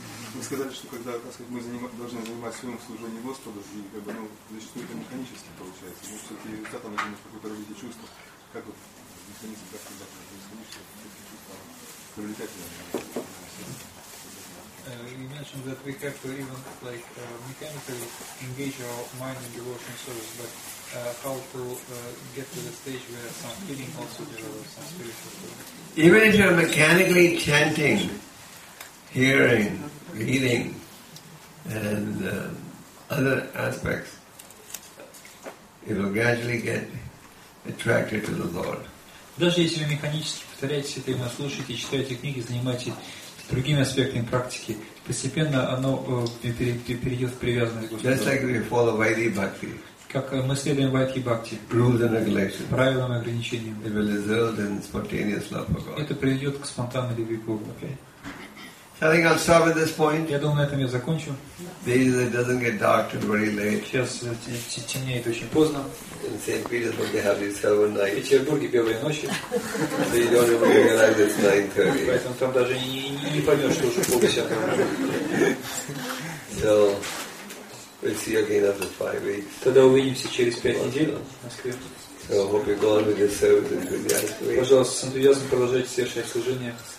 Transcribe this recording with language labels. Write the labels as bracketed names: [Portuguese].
[Russian] Вы сказали, что когда, так сказать, мы должны занимать своим служением Господу, и как бы, ну, зачастую это механически получается. Может, все-таки результат там занимает какое-то развитие чувства. Как вот механизм, как тогда происходит, привлекательное. [English] You mentioned that we have to even like mechanically engage our mind in devotion service, but how to get to the stage where some feeling also develops, some spiritual feeling. Even if you're mechanically chanting, hearing, reading, and other aspects, it will gradually get attracted to the Lord. [Russian] Даже если вы механически повторяете, это именно слушаете, читаете книги, занимаетесь другими аспектами практики, постепенно оно перейдет в привязанность к Господу. [English] Just like we follow Vaidhi Bhakti. [Russian] Как мы следуем Вайдхи Бхакти. [English] Rules and regulations. [Russian] Правилам и ограничениям. [English] It will result in spontaneous love for God. [Russian] Это приведет к спонтанной любви к Богу. [English] Okay. So I think I'll stop at this point. [Russian] Я думаю, на этом я закончу. [English] Days it doesn't get dark till very late. [Russian] Сейчас темнеет очень поздно. [English] In St. Petersburg, they have these silver nights. [Russian] В Петербурге белые ночи. [English] So you don't even realize it's 9:30. [Russian] Поэтому там даже не поймешь, что уже полдесятого. [English] So we'll see you again after 5 weeks. [Russian] Тогда увидимся через 5 недель. [English] So I hope you go on with this service and enthusiasm. [Russian] Пожалуйста, с энтузиазмом продолжайте совершать служение.